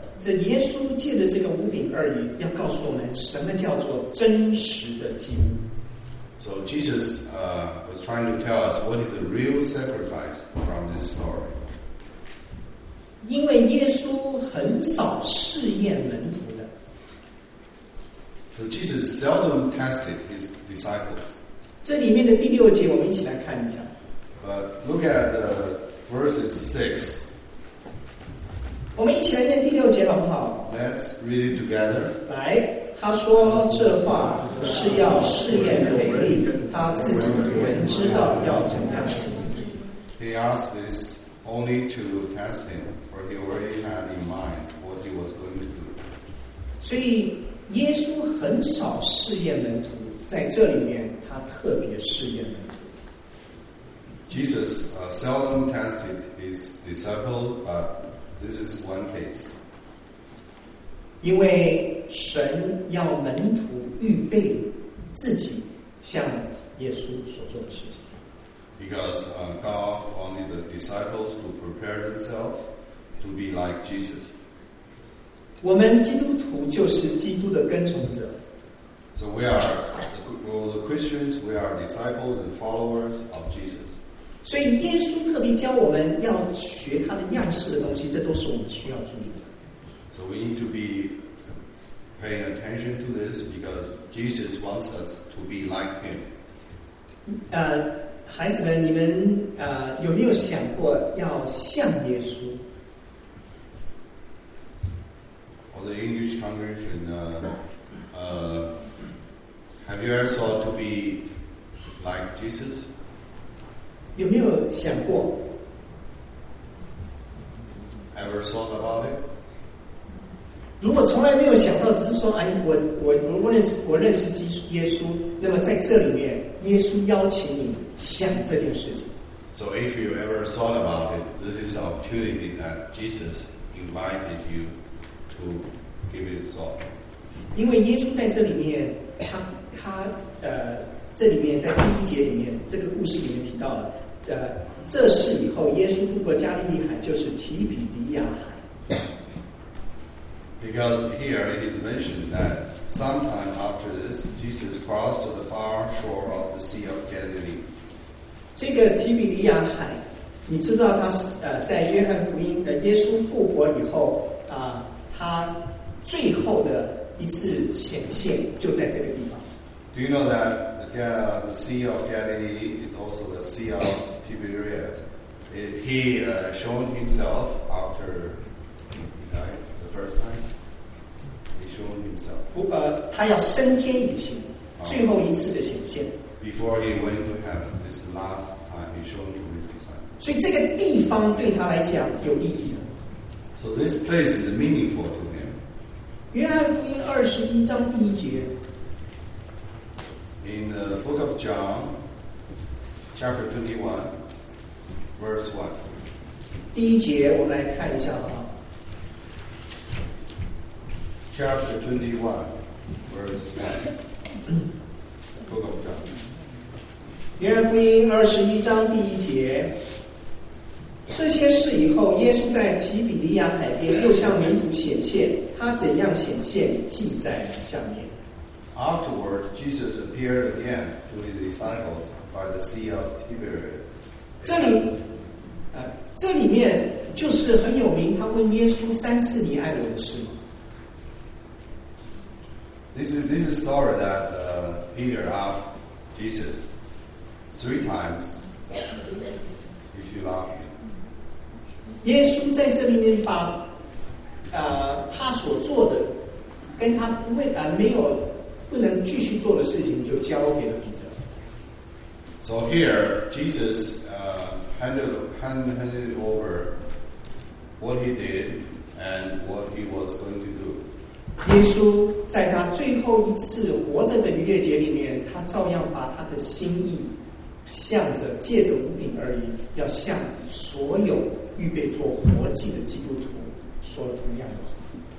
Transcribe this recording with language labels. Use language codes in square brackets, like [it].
[zh] 这耶稣借着这个五饼二鱼，要告诉我们什么叫做真实的祭物。 [en] So Jesus was trying to tell us what is the real sacrifice from this story. [zh] 因为耶稣很少试验门徒的。 [en] So Jesus seldom tested his disciples. [zh] 这里面的第六节，我们一起来看一下。 [en] But look at the verses 6. [zh] 我们一起来念第六节好不好 [en] Let's read it together. [zh] 来他说这话是要试验腓力他自己原知道要怎样行 [en] He asked this only to test him for he already had in mind what he was going to do. [zh] 所以耶稣很少试验门徒在这里面他特别试验门徒 [en] Jesus seldom tested his disciples butThis is one case. [zh] 因为神要门徒预备自己向耶稣所做的事情。 [en] Because God wanted the disciples to prepare themselves to be like Jesus. [zh] 我们基督徒就是基督的跟从者。 [en] So we are the Christians. We are disciples and followers of Jesus. [zh] 所以耶稣特别教我们要学他的样式的东西，这都是我们需要注意的。 [en] So we need to be paying attention to this because Jesus wants us to be like him. [zh] 孩子们，你们有没有想过要像耶稣 [en] ？For the English congregation, have you ever thought to be like Jesus? [zh] 有没有想过 [en] ？Ever thought about it？ [zh] 如果从来没有想到，只是说，哎，我认识耶稣，那么在这里面，耶稣邀请你想这件事情。 [en] So if you ever thought about it, this is the opportunity that Jesus invited you to give it a thought. [zh] 因为耶稣在这里面，他这里面在第一节里面，这个故事里面提到了。这事以后，耶稣渡过加利利海，就是提比利亚海。 [en] Because here it is mentioned that sometime after this, Jesus crossed to the far shore of the Sea of Galilee. [zh] 这个提比利亚海，你知道他是在约翰福音耶稣复活以后他最后的一次显现就在这个地方。 [en] Do you know that? Yeah, the Sea of Galilee is also the Sea of Tiberias. He showed himself after he died the first time. He showed himself. [zh] 他要升天以前最后一次的显现。 [en] Before he went to heaven, this last time he showed to his disciples. [zh] 所以这个地方对他来讲有意义的。 [en] So this place is meaningful to him. [zh] 约翰福音二十一章一节。 [en] In the book of John, chapter 21, verse 1. [zh] 第一节我们来看一下好不好 [en] Chapter 21, verse 1. Book of John. [zh] 约翰福音二十一章第一节。这些事以后，耶稣在提比利亚海边又向门徒显现，他怎样显现，记在下面。 [en] Afterward, Jesus appeared again to his disciples by the Sea of Tiberias. [zh] 这里面就是很有名，他问耶稣三次你爱我的事吗 [en] This is a story that Peter asked Jesus three times, love you. [zh] 耶稣在这里面把他所做的跟他不能继续做的事情就交给了彼得。 [en] So here, Jesus handed over what he did and what he was going to do. [zh] 耶稣在他最后一次活着的逾越节里面，他照样把他的心意向着借着五饼而已，要向所有预备做活祭的基督徒说了同样的话。